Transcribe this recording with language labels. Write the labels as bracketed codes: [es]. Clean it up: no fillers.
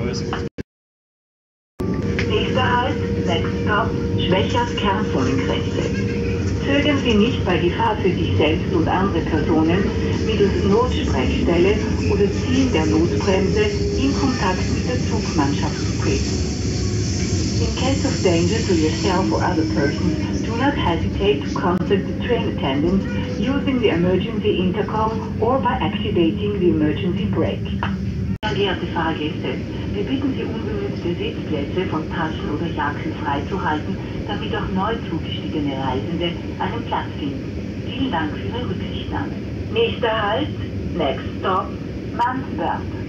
[de] Nächster Halt, [en] Next Stop, [de] Wien-Kaiser-Ebersdorf. Nächster Halt, Next Stop, Schwächers-Kernfonkräfte. Zögern Sie nicht bei Gefahr für sich selbst und andere Personen mittels Notsprechstelle oder Ziehen der Notbremse in Kontakt mit der Zugmannschaft zu treten. [en] In case of danger to yourself or other persons, do not hesitate to contact the train attendant using the emergency intercom or by activating the emergency brake. [de] Verehrte Fahrgäste, wir bitten Sie, ungenutzte Sitzplätze von Taschen oder Jacken freizuhalten, damit auch neu zugestiegene Reisende einen Platz finden. Vielen Dank für Ihre Rücksichtnahme. Nächster Halt, [en] Next Stop, [de] Mansberg.